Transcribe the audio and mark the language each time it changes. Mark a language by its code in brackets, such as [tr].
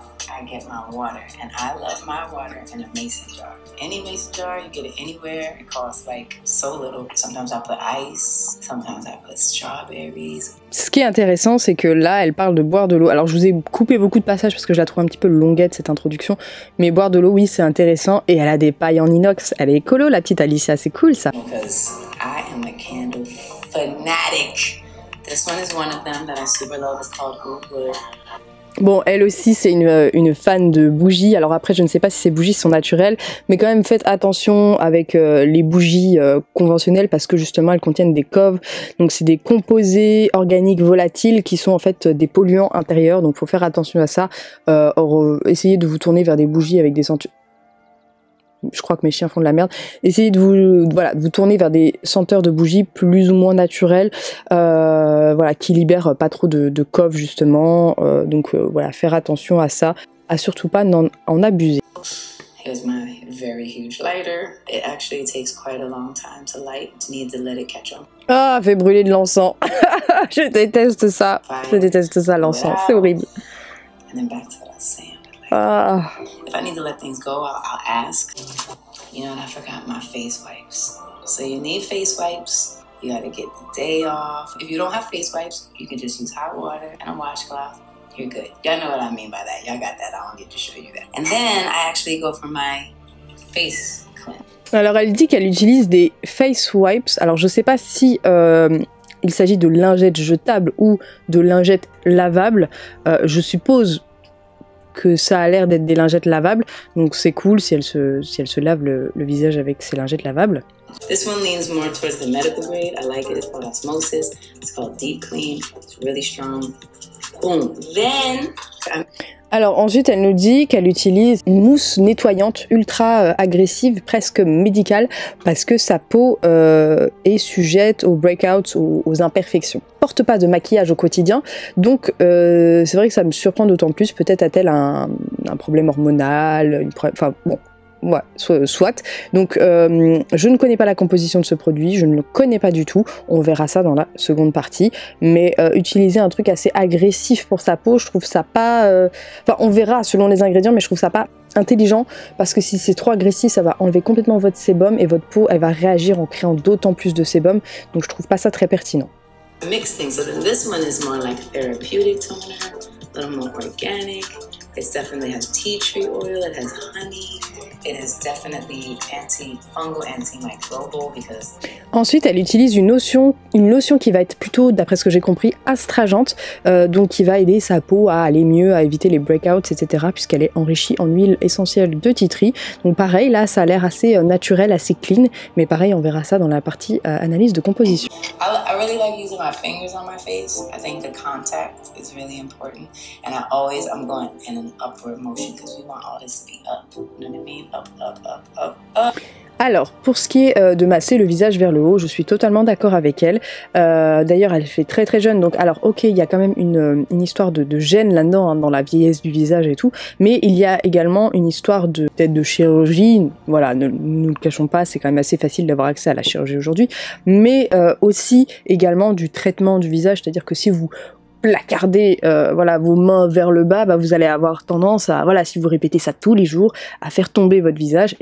[en] I get my water, and I love my water in a mason jar. Any mason jar, you get it anywhere. It costs like so little. Sometimes I put ice, sometimes I put strawberries. [fr] Ce qui est intéressant, c'est que là, elle parle de boire de l'eau. Alors, je vous ai coupé beaucoup de passages parce que je la trouve un petit peu longuette, cette introduction. Mais boire de l'eau, oui, c'est intéressant. Et elle a des pailles en inox. Elle est écolo, la petite Alicia. C'est cool, ça. [en] Because I am a candle fanatic. This one is one of them that I super love. It's called Oakwood. [fr] Bon, elle aussi, c'est une fan de bougies. Alors après, je ne sais pas si ces bougies sont naturelles, mais quand même, faites attention avec les bougies conventionnelles parce que justement, elles contiennent des coves. Donc, c'est des composés organiques volatiles qui sont en fait des polluants intérieurs. Donc, faut faire attention à ça. Essayez de vous tourner vers des bougies avec des senteurs. Je crois que mes chiens font de la merde. Essayez de vous tourner vers des senteurs de bougies plus ou moins naturelles, voilà, qui libèrent pas trop de cove justement. Donc, faire attention à ça, à surtout pas en abuser. [en] Here's my very huge lighter. It actually takes quite a long time to light. You need to let it catch on. [fr] Ah, fait brûler de l'encens. Je déteste ça. Je déteste ça, l'encens. C'est horrible. [en] And then back to the sand. If I need to let things go, I'll ask. You know what, I forgot my face wipes. So you need face wipes, you gotta get the day off. If you don't have face wipes, you can just use hot water and a washcloth. You're good. Y'all know what I mean by that. Y'all got that, I don't need to show you that. And then I actually go for my face cleanse. [fr] Alors elle dit qu'elle utilise des face wipes. Alors je sais pas si... il s'agit de lingettes jetables ou de lingettes lavables. Je suppose que ça a l'air d'être des lingettes lavables, donc c'est cool si elle se lave le visage avec ses lingettes lavables. [en] This one leans more towards the medical grade. I like it. It's called Osmosis. It's called Deep Clean. It's really strong. Boom. Then... [fr] Alors ensuite, elle nous dit qu'elle utilise une mousse nettoyante ultra agressive, presque médicale, parce que sa peau est sujette aux breakouts, aux imperfections. Elle ne porte pas de maquillage au quotidien, donc c'est vrai que ça me surprend d'autant plus. Peut-être a-t-elle un problème hormonal, soit. Donc je ne connais pas la composition de ce produit, je ne le connais pas du tout, on verra ça dans la seconde partie, mais utiliser un truc assez agressif pour sa peau, je trouve ça pas... on verra selon les ingrédients, mais je trouve ça pas intelligent, parce que si c'est trop agressif, ça va enlever complètement votre sébum et votre peau, elle va réagir en créant d'autant plus de sébum, donc je trouve pas ça très pertinent. [en] Mix things, so then this one is more like therapeutic toner, a little more organic. It definitely has tea tree oil, it has honey, it has definitely anti-fungal, antimicrobial because... [fr] Ensuite, elle utilise une lotion qui va être plutôt, d'après ce que j'ai compris, astringente, donc qui va aider sa peau à aller mieux, à éviter les breakouts, etc., puisqu'elle est enrichie en huile essentielle de tea tree. Donc pareil, là, ça a l'air assez naturel, assez clean, mais pareil, on verra ça dans la partie analyse de composition. [en] I really like using my fingers on my face. I think the contact is really important, and I'm going in an upward motion because we want all this to be up, you know what I mean? Up, up, up, up, up. [fr] Alors, pour ce qui est de masser le visage vers le haut, je suis totalement d'accord avec elle. D'ailleurs, elle fait très très jeune, donc alors ok, il y a quand même une histoire de gêne là-dedans, hein, dans la vieillesse du visage et tout, mais il y a également une histoire peut-être de chirurgie, voilà, ne nous le cachons pas, c'est quand même assez facile d'avoir accès à la chirurgie aujourd'hui, mais aussi également du traitement du visage, c'est-à-dire que si vous placarder vos mains vers le bas, vous allez avoir tendance à, si vous répétez ça tous les jours, à faire tomber votre visage.